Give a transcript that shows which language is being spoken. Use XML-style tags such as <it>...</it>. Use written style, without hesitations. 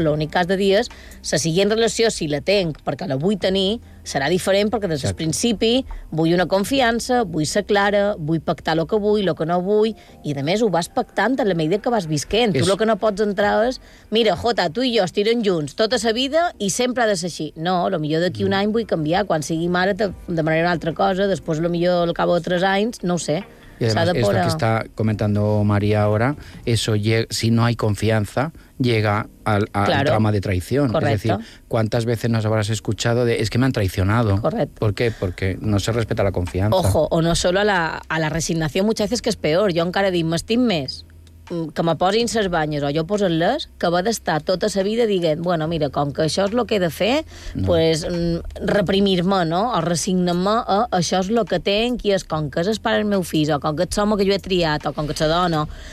<ca>L'únic que has de dir és, sa siguient relació, si la tenc, perquè la vull tenir, serà diferent, perquè des del principi vull una confiança, vull ser clara, vull pactar lo que vull, lo que no vull, i a més ho vas pactant a la medida que vas visquent. Tu lo que no pots entrar és, mira, Jota, tu i jo estirem junts tota sa vida i sempre ha de ser així. No, lo millor d'aquí un any vull canviar, quan sigui mare de manera una altra cosa, després lo millor al cap de 3 anys, no ho sé.</ca> <es>Y además, es lo que está comentando María ahora, eso llega, si no hay confianza, llega al drama de traición. Correcto. Es decir, ¿cuántas veces nos habrás escuchado de es que me han traicionado? Correcto. ¿Por qué? Porque no se respeta la confianza. Ojo, o no solo a la resignación, muchas veces que es peor.</es> <ca>Yo encara digo, m'estim més que me posin ses banyes o jo posen-les, que va d'estar tota sa vida dient, bueno, mira, com que això és el que he de fer, pues reprimir-me, no? O resignar-me a això és el que tenc i és com que és el pare del meu fill, o com que ets home que jo he triat, o com que ets dona.</ca>